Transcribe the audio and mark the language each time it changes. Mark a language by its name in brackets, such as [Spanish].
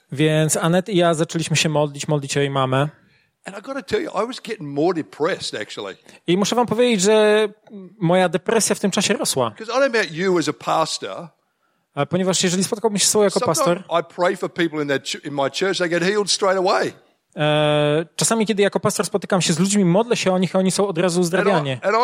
[Polish] Więc Annette i ja zaczęliśmy się modlić, modlić o jej mamę. [English] And I got to tell you, I was getting more depressed actually. [Polish] I muszę wam powiedzieć, że moja depresja w tym czasie rosła. [English] Because I don't know about you as a pastor. [Polish] Ponieważ jeżeli spotkałbym się z sobą jako pastor. [English] I pray for people in my church, they get healed straight away. [Polish] Czasami, kiedy jako pastor spotykam się z ludźmi, modlę się o nich, a oni są od razu uzdrawiani.